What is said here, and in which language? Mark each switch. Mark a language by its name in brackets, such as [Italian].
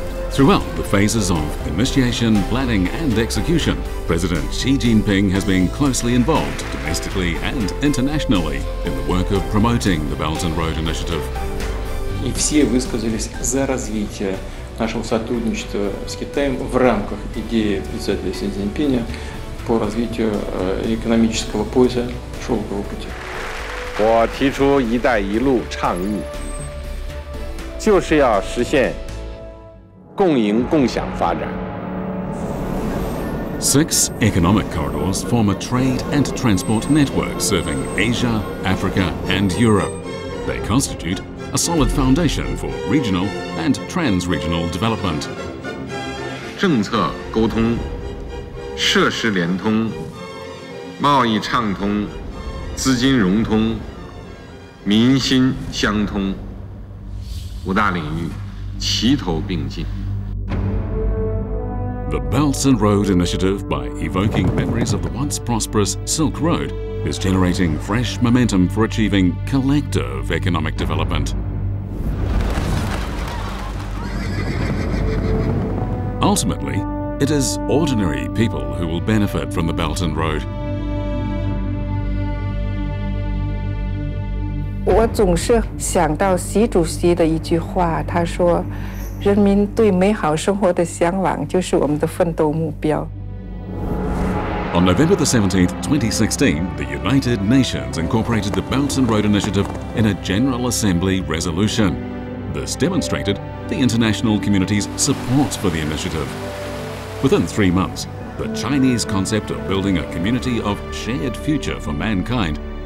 [English] Throughout the phases of initiation, planning, and execution, President Xi Jinping has been closely involved domestically and internationally in the work of promoting the Belt and Road Initiative. [Russian] И все высказались за развитие нашего сотрудничества с Китаем в рамках идеи председателя Си Цзиньпиня по развитию экономического пояса Шелкового пути. [Chinese] 我提出一带一路倡议，就是要实现共赢共享发展。 [English] Six economic corridors form a trade and transport network serving Asia, Africa, and Europe. They constitute a solid foundation for regional and trans-regional development. [Chinese] 政策沟通，设施连通，贸易畅通，资金融通。民心相通，五大领域齐头并进。 [English] The Belt and Road Initiative, by evoking memories of the once prosperous Silk Road, is generating fresh momentum for achieving collective economic development. Ultimately, it is ordinary people who will benefit from the Belt and Road. [Chinese] 我总是想到习主席的一句话，他说：“人民对美好生活的向往就是我们的奋斗目标。” [English] On November the 17th, 2016, the United Nations incorporated the Belt and Road Initiative in a General Assembly resolution. This demonstrated the international community's support for the initiative. Within 3 months, the Chinese concept of building a community of shared future for mankind.